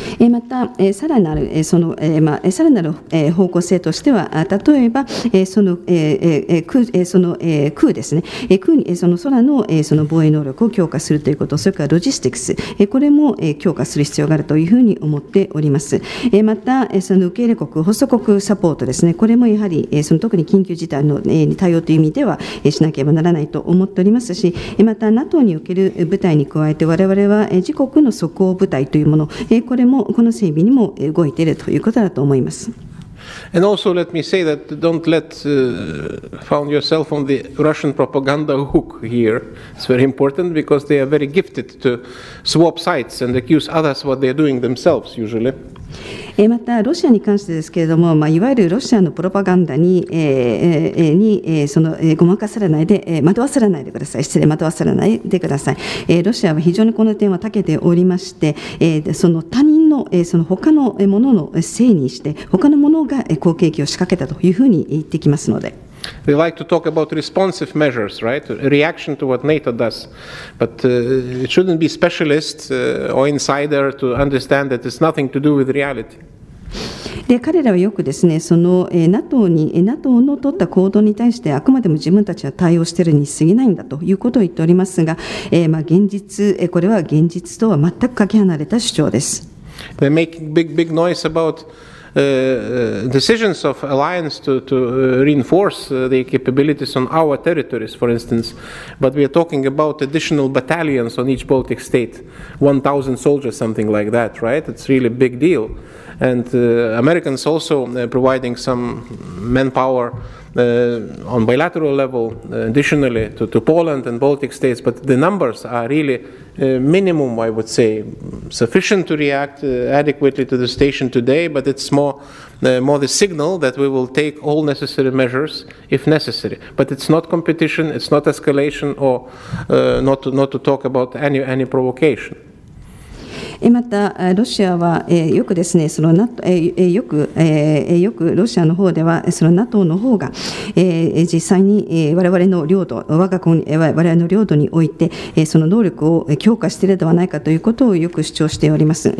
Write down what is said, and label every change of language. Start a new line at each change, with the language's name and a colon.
Japanese: またさらなるさらなる方向性としては、例えばその空ですね、その空のその防衛能力を強化するということ、それからロジスティクス、これも強化する必要があるというふうに思っております。またその受け入れ国、ホスト国サポートですね。ね、これもやはり、その特に緊急事態の、に対応という意味では、しなければならないと思っておりますし、また NATO における部隊に加えて、我々は、自国の即応部隊というもの、これもこの整備にも動いているということだと思います。
English: And also let me say that don't let found yourself on the Russian propaganda hook here. It's very important because they are very gifted to swap sides and accuse others what they are doing themselves usually.
Japanese: またロシアに関してですけれども、まあ、いわゆるロシアのプロパガンダに、ごまかされないで、惑わされないでください。失礼、惑わされないでください。ロシアは非常にこの点は長けておりまして、その他人の、その他のもののせいにして、他のものが攻撃を仕掛けたというふうに言ってきますので。
English: We like to talk about responsive measures, right? Reaction to what NATO does. But it shouldn't be specialist or insider to understand that it's nothing to do with reality.
Japanese: で彼らはよくですね、その NATO に NATO の取った行動に対してあくまでも自分たちは対応しているに過ぎないんだということを言っておりますが、まあ現実、これは現実とは全くかけ離れた主張です。
English: They make big, big noise aboutdecisions of alliance to reinforce the capabilities on our territories, for instance, but we are talking about additional battalions on each Baltic state, 1,000 soldiers, something like that, right? It's really a big deal. And Americans also providing some manpower on bilateral level, additionally to Poland and Baltic states, but the numbers are really minimum, I would say, sufficient to react adequately to the station today, but it's more, more the signal that we will take all necessary measures if necessary. But it's not competition, it's not escalation, or not to talk about any provocation.
Japanese: またロシアはよくですね、そのよくロシアの方ではその NATO の方が実際に我々の領土、我が国、我々の領土においてその能力を強化しているではないかということをよく主張しております。